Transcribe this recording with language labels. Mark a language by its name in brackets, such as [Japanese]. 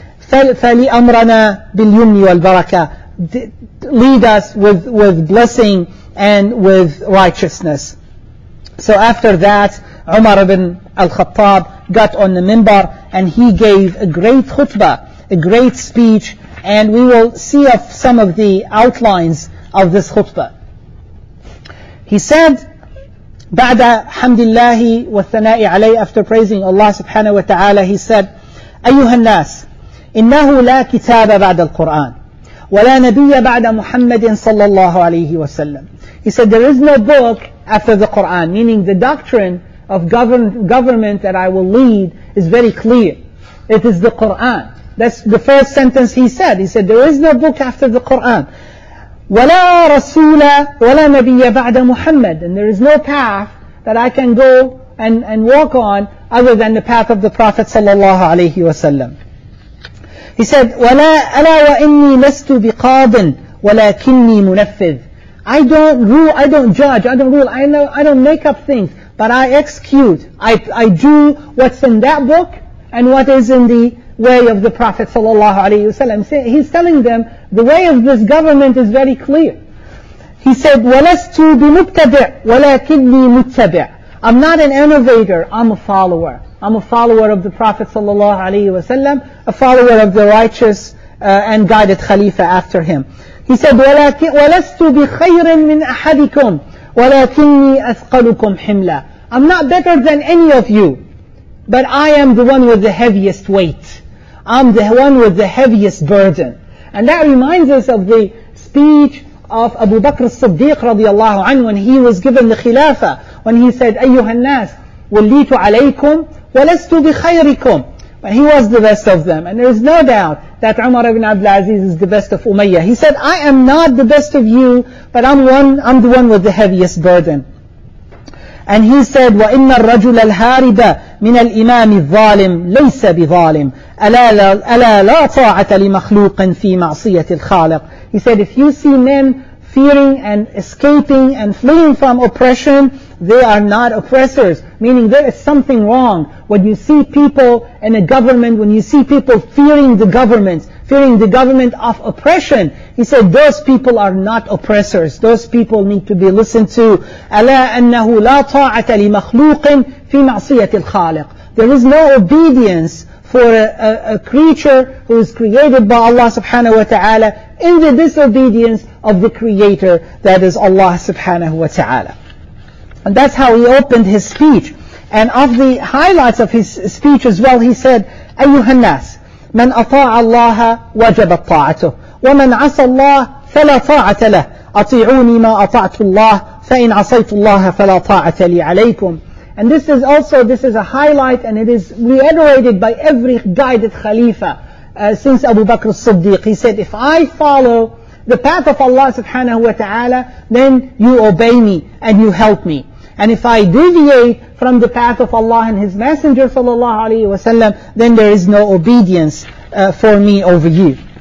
[Arabic] فَلِأَمْرَنَا بِالْيُمْنِ وَالْبَرَكَةِ, [English] lead us with blessing and with righteousness. So after that, Umar ibn al-Khattab got on the minbar and he gave a great khutbah, a great speech, and we will see some of the outlines of this khutbah. [Arabic] He said, بعد حمد الله والثناء عليه, [English] after praising Allah subhanahu wa ta'ala, he said, [Arabic] أيها الناس, إنه لا كتاب بعد القرآن ولا نبي بعد محمد صلى الله عليه وسلم. [English] He said, there is no book after the Quran, meaning the doctrine of government that I will lead is very clear. It is the Quran. That's the first sentence he said. He said, there is no book after the Quran. [Arabic] وَلَا رَسُولَ وَلَا نَبِيَّ بَعْدَ مُحَمَّدٍ. [English] And there is no path that I can go and walk on other than the path of the Prophet صلى الله عليه وسلم. [Arabic] He said, وَلَا أَلَا وَإِنِّي لَسْتُ بِقَاضٍ وَلَكِنِّي مُنَفِّذٍ. [English] I don't judge, I don't rule, I don't make up things. But I execute, I do what's in that book and what is in the way of the Prophet sallallahu alayhi wasallam. He's telling them, the way of this government is very clear. [Arabic] He said, وَلَسْتُ بِمُبْتَدِعْ وَلَكِنِّي مُتَّبِعْ. [English] I'm not an innovator, I'm a follower. I'm a follower of the Prophet sallallahu alayhi wasallam, a follower of the righteous and guided Khalifa after him. [Arabic] He said, وَلَسْتُ بِخَيْرٍ مِّنْ أَحَدِكُمْ وَلَكِنِّي أَثْقَلُكُمْ حِمْلًا. [English] I'm not better than any of you, but I am the one with the heaviest weight. I'm the one with the heaviest burden. And that reminds us of the speech of Abu Bakr as-Siddiq radiallahu anhu when he was given the Khilafah, when he said, [Arabic] أَيُّهَا النَّاسِ وَلِّيتُ عَلَيْكُمْ وَلَسْتُ بِخَيْرِكُمْ. [English] But he was the best of them. And there is no doubt that Umar ibn Abdul Aziz is the best of Umayyah. He said, I am not the best of you, but I'm the one with the heaviest burden. [Arabic] And he said, وَإِنَّ الرَّجُلَ الْهَارِبَ مِنَ الْإِمَامِ الظَّالِمِ لَيْسَ بِظَالِمِ أَلَا لَا طَاعَةَ لِمَخْلُوقٍ فِي مَعْصِيَةِ الْخَالِقِ. [English] He said, if you see men fearing and escaping and fleeing from oppression, they are not oppressors. Meaning there is something wrong. When you see people in a government, when you see people fearing the government of oppression, he said, those people are not oppressors. Those people need to be listened to. [Arabic] أَلَا أَنَّهُ لَا طَاعَةَ لِمَخْلُوقٍ فِي مَعْصِيَةِ الْخَالِقِ. [English] There is no obedience for a creature who is created by Allah subhanahu wa ta'ala in the disobedience of the creator, that is Allah subhanahu wa ta'ala. And that's how he opened his speech. And of the highlights of his speech as well, he said, [Arabic] أَيُّهَا النَّاسِ مَنْ أَطَاعَ اللَّهَ وَجَبَتْ طَاعَتُهُ وَمَنْ عَصَى اللَّهَ فَلَا طَاعَةَ لَهُ أَطِيعُونِي مَا أَطَعْتُ اللَّهَ فَإِنْ عَصَيْتُ اللَّهَ فَلَا طَاعَةَ لِي عَلَيْكُمْ. [English] And this is a highlight, and it is reiterated by every guided Khalifa since Abu Bakr as-Siddiq. He said, if I follow the path of Allah subhanahu wa ta'ala, then you obey me and you help me. And if I deviate from the path of Allah and His Messenger sallallahu alayhi wa sallam, then there is no obedience for me over you.